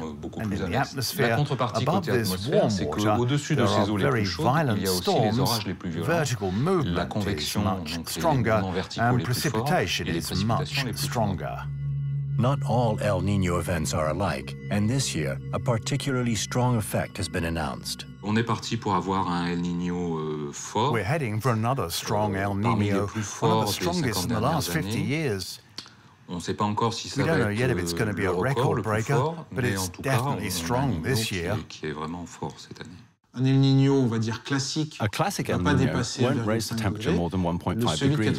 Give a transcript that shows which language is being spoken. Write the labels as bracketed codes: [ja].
[en] And in the atmosphere above this warm water, there are very violent storms, vertical movement. La convection is much stronger, and precipitation is much stronger. Not all El Niño events are alike, and this year, a particularly strong effect has been announced. [fr] On est parti pour avoir un El Niño fort. [en] We're heading for another strong El Niño, one of the strongest in the last 50 years. [fr] On ne sait pas encore si ça va être le record breaker, [en] but it's definitely strong this year. [fr] Qui est vraiment fort cette année. Un El Niño, on va dire classique, [en] a classic El Niño won't raise the temperature more than 1.5 degrees.